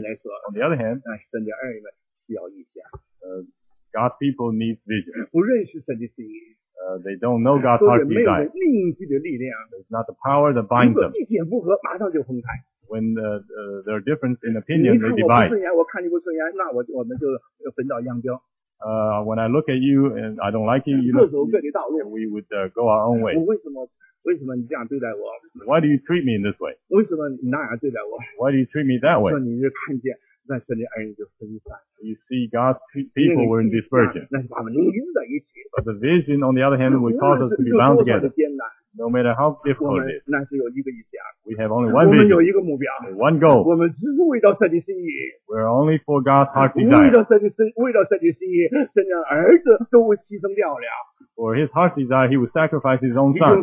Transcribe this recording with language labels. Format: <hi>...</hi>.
<en>On the other hand,</en> <zh>神的儿女们需要异象。</zh> <en>God's people need vision.</en> <zh>不认识神的心意。</zh> <en>They don't know God's heart desire.</en> <zh>都是没有凝聚的力量。</zh> <en>It's not the power that binds them.</en> <zh>意见不合，马上就分开。</zh> <en>When there are differences in opinion, they divide.</en> <zh>你看我不顺眼，我看你不顺眼，那我们就分道扬镳。</zh> <en>When I look at you and I don't like you, we would go our own way.</en> <zh>为什么你这样对待我？</zh> <en>Why do you treat me in this way?</en> <zh>为什么你那样对待我？</zh> <en>Why do you treat me that way?</en> <zh>你就看见那神的儿女就分散。</zh> <en>You see God's people were in dispersion.</en> <zh>那是把我们凝聚在一起。</zh> <en>But the vision, on the other hand, would cause us to be bound together. No matter how difficult it is.</en> <zh>那是有一个意向。</zh> <en>We have only one vision.</en> <zh>我们有一个目标。</zh> <en>One goal.</en> <zh>我们只是为到神的心意。</zh> <en>We're only for God's heart desire.</en> <zh>为到神的心意，神的儿子都会牺牲掉了。</zh> <en>For his heart's desire, he would sacrifice his own son.</en>